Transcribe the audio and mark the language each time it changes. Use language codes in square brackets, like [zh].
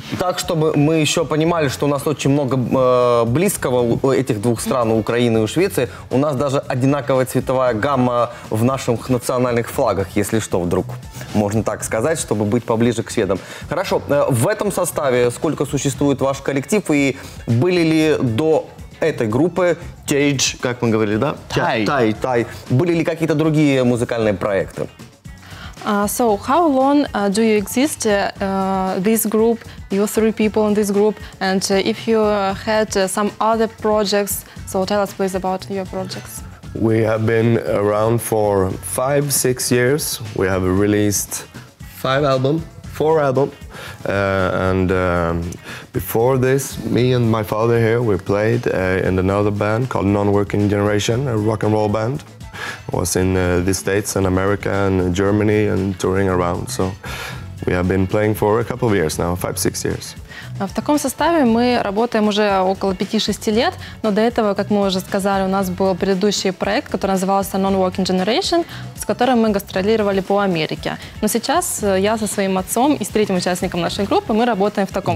[ru] Так, чтобы мы еще понимали, что у нас очень много близкого у этих двух стран, Украины и Швеции, у нас даже одинаковая цветовая гамма в наших национальных флагах, если что, вдруг. Можно так сказать, чтобы быть поближе к шведам. Хорошо, в этом составе сколько существует ваш коллектив и были ли до этой группы Тейдж, как мы говорили, да? Тай. Были ли какие-то другие музыкальные проекты? [en] So, how long do you exist this group, you three people in this group, and if you had some other projects, so tell us please about your projects. We have been around for 5-6 years. We have released 4 albums, and before this, me and my father here, we played in another band called Non-Working Generation, a rock and roll band. Was in the States and America and Germany and touring around. So we have been playing for a couple of years now, 5-6 years. [ru] В таком составе мы работаем уже около 5-6 лет, но до этого, как мы уже сказали, у нас был предыдущий проект, который назывался Non-Working Generation, с которым мы гастролировали по Америке. Но сейчас я со своим отцом и с третьим участником нашей группы, мы работаем в таком